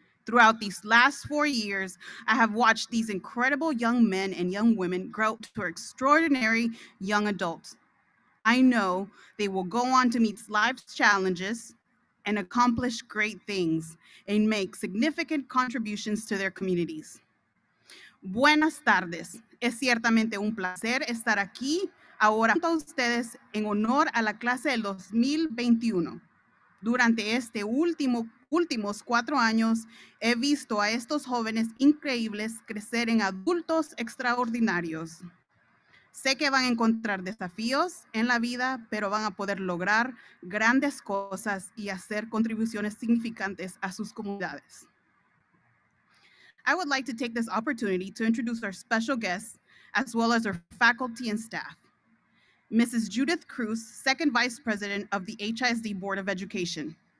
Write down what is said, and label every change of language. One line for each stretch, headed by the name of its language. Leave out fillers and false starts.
English: Throughout these last 4 years, I have watched these incredible young men and young women grow up to extraordinary young adults. I know they will go on to meet life's challenges and accomplish great things and make significant contributions to their communities.
Spanish: Buenas tardes. Es ciertamente un placer estar aquí ahora con ustedes en honor a la clase del 2021. Durante este últimos 4 años, he visto a estos jóvenes increíbles crecer en adultos extraordinarios. Sé que van a encontrar desafíos en la vida, pero van a poder lograr grandes cosas y hacer contribuciones significantes a sus comunidades.
English: I would like to take this opportunity to introduce our special guests, as well as our faculty and staff. Mrs. Judith Cruz, second vice president of the HISD Board of Education.